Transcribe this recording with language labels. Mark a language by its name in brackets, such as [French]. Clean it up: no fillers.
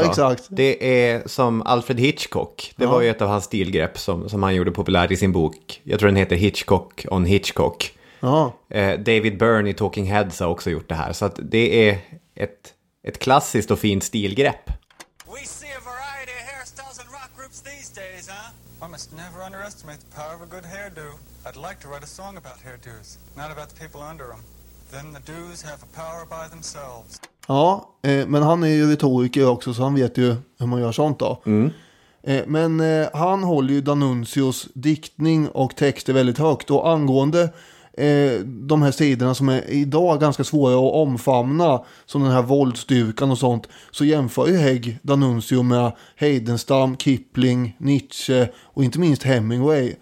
[Swedish] Ja, exakt. Det är som Alfred Hitchcock. Det var ju ett av hans stilgrepp som han gjorde populär i sin bok. Jag tror den heter Hitchcock on Hitchcock. David Byrne i Talking Heads har också gjort det här. Så att det är ett klassiskt och fint stilgrepp. [English] We see a variety of hairstyles and rock groups these days, huh? I must never underestimate the power of a good hairdo. I'd like to write a song about hairdos, not about the people under them. Then the dos have a power by themselves. [Swedish] Ja, men han är ju retoriker också, så han vet ju hur man gör sånt då. Mm. Men han håller ju D'Annunzios diktning och texter väldigt högt, och angående de här sidorna som är idag ganska svåra att omfamna, som den här våldsdyrkan och sånt, så jämför ju Hägg D'Annunzio med Heidenstam, Kipling, Nietzsche och inte minst Hemingway.